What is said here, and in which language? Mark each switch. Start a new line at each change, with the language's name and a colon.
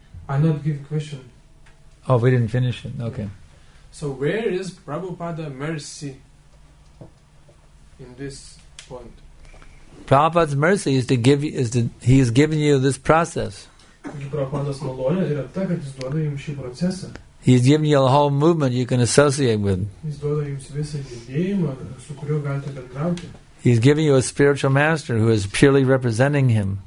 English: I'm not giving question. Oh, we didn't finish it. Okay. So where is Prabhupada mercy in this point? Prabhupada's mercy is to give you, he has given you this process.
Lithuanian: Prabhupada's malonė yra ta, kad jis duoda jums šį procesą.
English: He's given you a whole movement you can associate with.
Lithuanian: Jis duoda jums visą judėjimą, su kuriuo galite bendrauti.
English: He's giving you a spiritual master who is purely representing him.